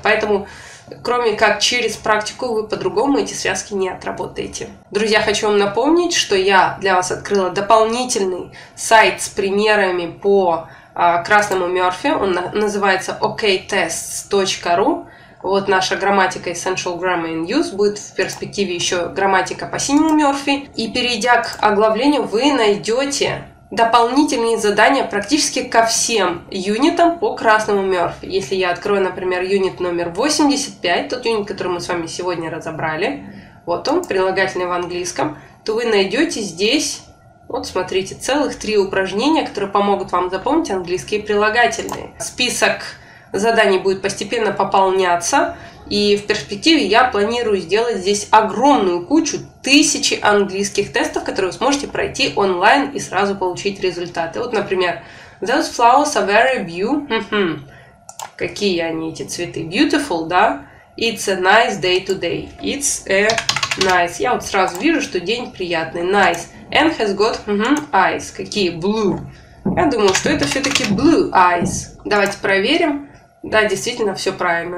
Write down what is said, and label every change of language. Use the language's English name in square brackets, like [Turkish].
[Russian] Поэтому, кроме как через практику, вы по-другому эти связки не отработаете. Друзья, хочу вам напомнить, что я для вас открыла дополнительный сайт с примерами по красному Мёрфи. Он называется oktests.ru. Вот наша грамматика Essential Grammar in Use. Будет в перспективе еще грамматика по синему Мёрфи. И перейдя к оглавлению, вы найдете дополнительные задания практически ко всем юнитам по красному Мёрфи. Если я открою, например, юнит номер 85, тот юнит, который мы с вами сегодня разобрали, вот он, прилагательный в английском, то вы найдете здесь, вот смотрите, целых три упражнения, которые помогут вам запомнить английские прилагательные. Список заданий будет постепенно пополняться, и в перспективе я планирую сделать здесь огромную кучу, тысячи английских тестов, которые вы сможете пройти онлайн и сразу получить результаты. Вот, например, [English] those flowers are very beautiful. [Russian] Какие они, эти цветы? [English] Beautiful, [Russian] да? [English] It's a nice day today. It's a nice. [Russian] Я вот сразу вижу, что день приятный. [English] Nice. And has got eyes. [Russian] Какие? [English] Blue. [Russian] Я думаю, что это все-таки [English] blue eyes. [Russian] Давайте проверим. Да, действительно, все правильно.